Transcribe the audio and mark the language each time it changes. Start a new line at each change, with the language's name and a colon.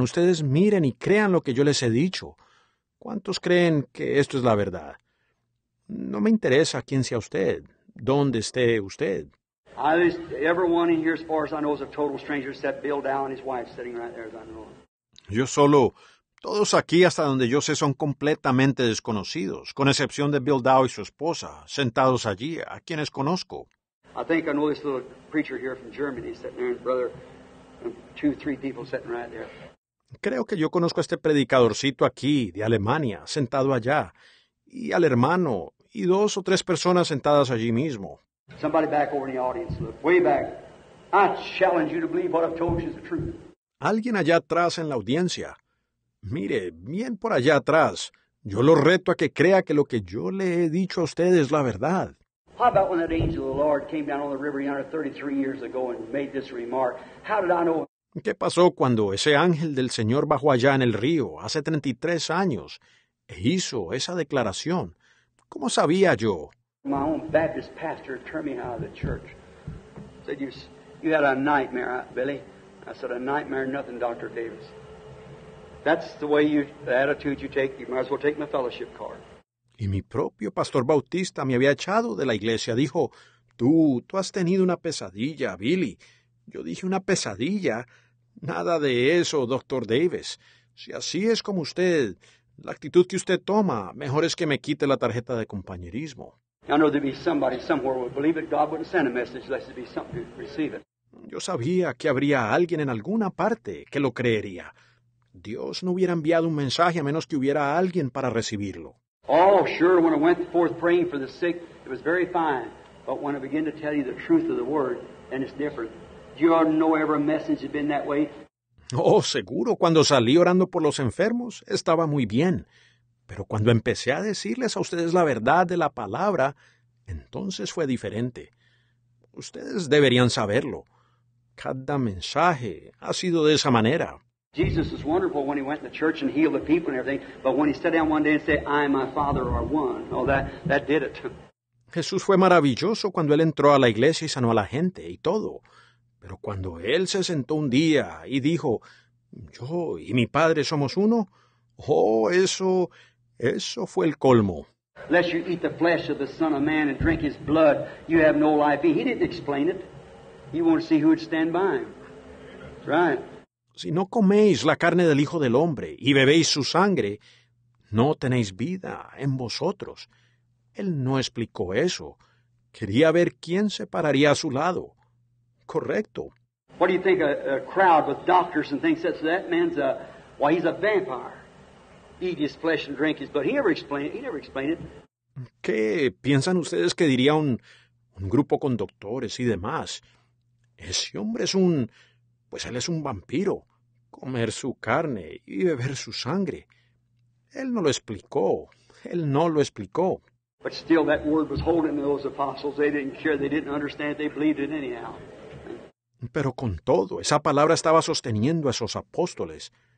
Spanish: Ustedes miren y crean lo que yo les he dicho. ¿Cuántos creen que esto es la verdad? No me interesa quién sea usted, dónde esté usted.
English: Everyone in here, as far as I know, is a total stranger, except Bill Dow and his wife sitting right there, as I know.
Spanish: Yo solo, todos aquí hasta donde yo sé son completamente desconocidos, con excepción de Bill Dow y su esposa, sentados allí, a quienes conozco.
English: I think I know this little preacher here from Germany sitting there, brother, two, three people sitting right there.
Spanish: Creo que yo conozco a este predicadorcito aquí, de Alemania, sentado allá, y al hermano, y dos o tres personas sentadas allí mismo.
English: Somebody back over in the audience, look, way back. I challenge you to believe what I've told you is the truth.
Spanish: Alguien allá atrás en la audiencia. Mire, bien por allá atrás. Yo lo reto a que crea que lo que yo le he dicho a usted es la verdad.
English: How about when that angel of the Lord came down on the river yonder 33 years ago and made this remark? How did I know?
Spanish: ¿Qué pasó cuando ese ángel del Señor bajó allá en el río hace 33 años e hizo esa declaración? ¿Cómo sabía yo?
English: My own Baptist pastor turned me out of the church. Said you had a nightmare, Billy. I said, a nightmare, nothing, Dr. Davis. That's the way the attitude you take. You might as well take my fellowship card.
Spanish: Y mi propio pastor Bautista me había echado de la iglesia. Dijo, tú has tenido una pesadilla, Billy. Yo dije, una pesadilla. Nada de eso, Dr. Davis. Si así es como usted, la actitud que usted toma, mejor es que me quite la tarjeta de compañerismo.
English: I know there'd be somebody somewhere who would believe it. God wouldn't send a message unless there'd be something to receive it.
Spanish: Yo sabía que habría alguien en alguna parte que lo creería. Dios no hubiera enviado un mensaje a menos que hubiera alguien para recibirlo.
English: Oh, sure, when I went forth praying for the sick, it was very fine. But when I begin to tell you the truth of the word, then it's different. You ought to know every message had been that way.
Spanish: Oh, seguro, cuando salí orando por los enfermos, estaba muy bien. Pero cuando empecé a decirles a ustedes la verdad de la palabra, entonces fue diferente. Ustedes deberían saberlo. Cada mensaje ha sido de esa manera.
English: Jesus was wonderful when he went to the church and healed the people and everything, but when he sat down one day and said, I and my Father are one, oh, that did it.
Spanish: Jesús fue maravilloso cuando él entró a la iglesia y sanó a la gente y todo. Pero cuando él se sentó un día y dijo, yo y mi Padre somos uno, oh, eso fue el colmo.
English: Unless you eat the flesh of the Son of Man and drink his blood, you have no life. He didn't explain it. You want to see who would stand by him. That's right.
Spanish: Si no coméis la carne del Hijo del Hombre y bebéis su sangre, no tenéis vida en vosotros. Él no explicó eso. Quería ver quién se pararía a su lado. Correcto.
English: What do you think a crowd with doctors and things said? So that man's a, well, he's a vampire. Eat his flesh and drink his blood. He never explained it.
Spanish: ¿Qué piensan ustedes que diría un grupo con doctores y demás? Ese hombre es un, pues él es un vampiro. Comer su carne y beber su sangre. Él no lo explicó.
English: But still that word was holding those apostles. They didn't care. They didn't understand. They believed it anyhow.
Spanish: Pero con todo, esa palabra estaba sosteniendo a esos apóstoles.